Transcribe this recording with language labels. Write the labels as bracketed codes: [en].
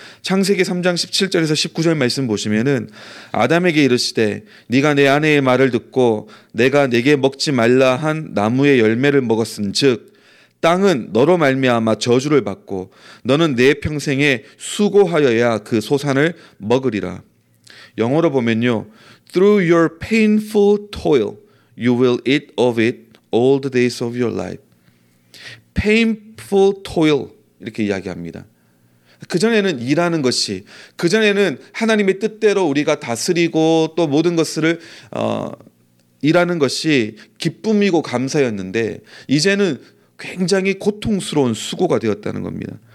[ko] 창세기 3장 17절에서 19절 말씀 보시면은 아담에게 이르시되 네가 내 아내의 말을 듣고 내가 네게 먹지 말라 한 나무의 열매를 먹었은 즉 땅은 너로 말미암아 저주를 받고 너는 내 평생에 수고하여야 그 소산을 먹으리라. 영어로 보면요, [en] Through your painful toil, you will eat of it all the days of your life. Painful toil, [ko] 이렇게 이야기합니다. 그전에는 일하는 것이, 그전에는 하나님의 뜻대로 우리가 다스리고 또 모든 것을 일하는 것이 기쁨이고 감사였는데 이제는 굉장히 고통스러운 수고가 되었다는 겁니다.